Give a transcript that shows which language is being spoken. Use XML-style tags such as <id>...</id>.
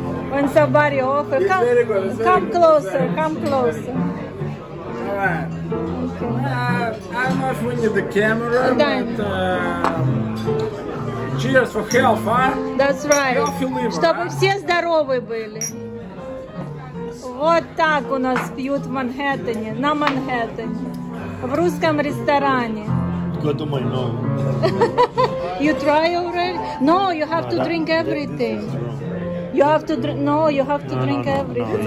<en>When somebody offers, come closer. All right. Okay. I don't know if we need the camera, but cheers for health, huh? That's right. Healthy liver,</en> <ru>чтобы huh? все здоровы были. Вот так у нас пьют в Манхэттене, на Манхэттене, в русском ресторане.</ru> <en>Go to my nose. You try already? No, you have to drink everything. You have to drink. No, you have to drink everything.</en>